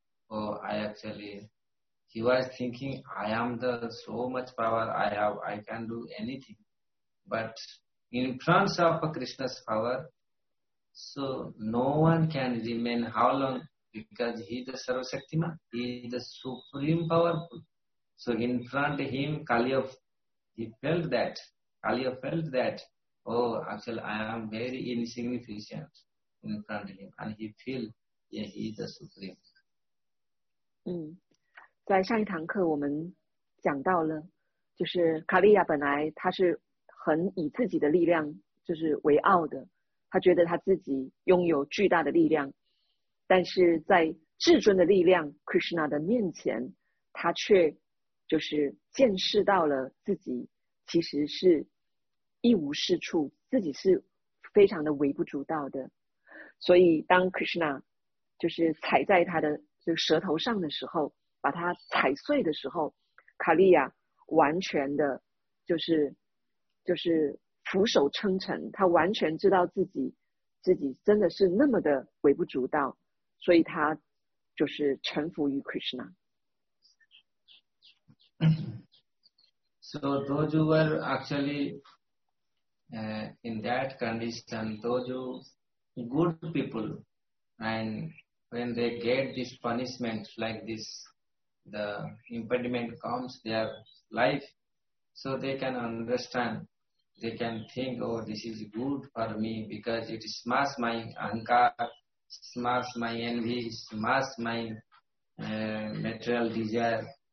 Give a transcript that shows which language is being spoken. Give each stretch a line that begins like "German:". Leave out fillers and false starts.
English: oh, I actually, he was thinking, I am the so much power I have, I can do anything, but in front of Krishna's power, so no one can remain how long, because he is the Sarvashaktima, he is the supreme powerful. So in front of him, Kaliya felt that, oh, actually I am very insignificant in front of him, and he feel, yeah, he is the supreme.
Chinese: 在上一堂课我们讲到了，就是卡利亚本来他是很以自己的力量就是为傲的，他觉得他自己拥有巨大的力量，但是在至尊的力量 Krishna 的面前，他却就是见识到了自己其实是一无是处，自己是非常的微不足道的。所以当 Krishna 就是踩在他的就舌头上的时候，把它踩碎的时候，卡利亚完全的就是俯首称臣，他完全知道自己真的是那么的微不足道，所以他就是臣服于 Krishna。
English: So those who were actually in that condition, those who good people, and when they get this punishment like thisThe impediment comes their life, so they can understand, they can think, oh, this is good for me because it smashes my ahankar, smashes my envy, smashes my material desire.